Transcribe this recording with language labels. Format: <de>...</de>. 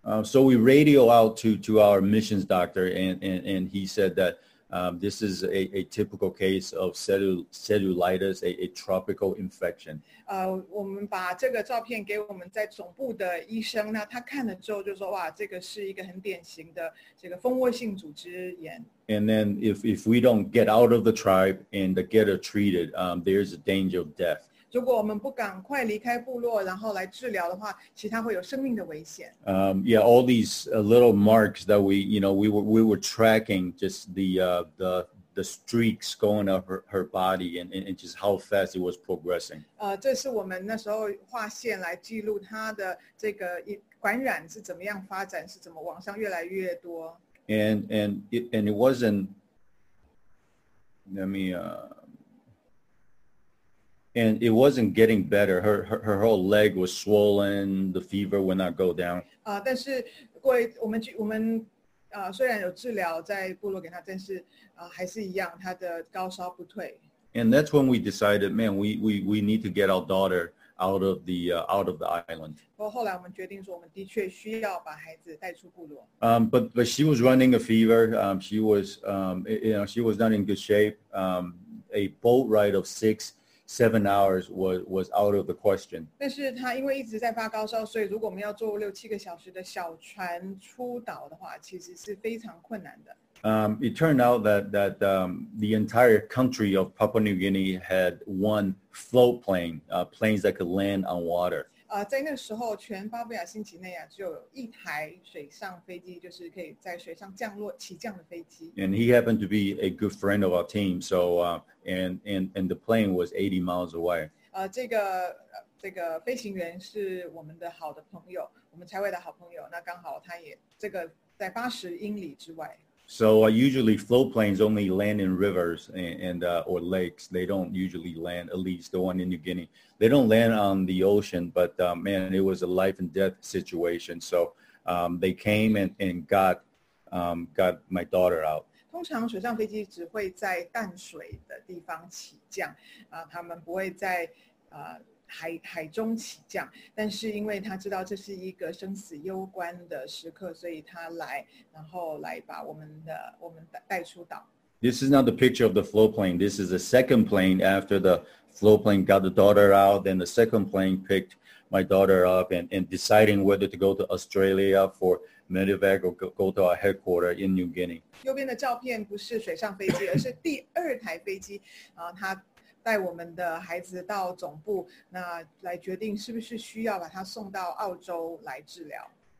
<en>So we radio out to our missions doctor, and he said that this is a typical case of cellulitis, a tropical infection.</en> <zh>我们把这个照片给我们在总部的医生，那他看了之后就说，哇，这个是一个很典型的这个蜂窝性组织炎。</zh> <en>And then if we don't get out of the tribe and get her treated, there's a danger of death.</en> <zh>如果我们不赶快离开部落，然后来治疗的话，其他会有生命的危险。</zh> <en>Yeah, all these little marks that we were tracking, just the streaks going up her body and just how fast it was progressing.</en> <zh>这是我们那时候画线来记录她的这个感染是怎么样发展，是怎么往上越来越多。</zh> <en>And it wasn't. Let me. And it wasn't getting better. Her whole leg was swollen. The fever would not go down.</en> <zh>但是过我们虽然有治疗在部落给她，但是还是一样，她的高烧不退。</zh> <en>And that's when we decided, man, we need to get our daughter out of the island.</en> <zh>不过后来我们决定说，我们的确需要把孩子带出部落。</zh> <en>But she was running a fever. She was not in good shape. A boat ride of 6-7 hours was out of the question.</en> <zh>但是他因为一直在发高烧，所以如果我们要坐6-7个小时的小船出岛的话，其实是非常困难的。</zh> <en>It turned out that the entire country of Papua New Guinea had one float plane, planes that could land on water.</en> <zh>在那时候，全巴布亚新几内亚只有一台水上飞机，就是可以在水上降落起降的飞机。</zh> <en>And he happened to be a good friend of our team, so. And the plane was 80 miles away.</en> <zh>这个飞行员是我们的好的朋友，我们才会的好朋友。那刚好他也这个在80英里之外。</zh> <en>So usually float planes only land in rivers or lakes. They don't usually land, at least the one in New Guinea. They don't land on the ocean, but man, it was a life and death situation. So they came and got got my daughter out.</en> <zh>通常水上飞机只会在淡水的地方起降，他们不会在海中起降，但是因为他知道这是一个生死攸关的时刻，所以他来，然后来把我们带出岛。</zh> <en>This is not the picture of the float plane. This is the second plane after the float plane got the daughter out. Then the second plane picked my daughter up and deciding whether to go to Australia for medevac or go to our headquarter in New Guinea.</en> <zh>右边的照片不是水上飞机，而是第二台飞机，然后他带我们的孩子到总部，那来决定是不是需要把他送到澳洲来治疗。</zh>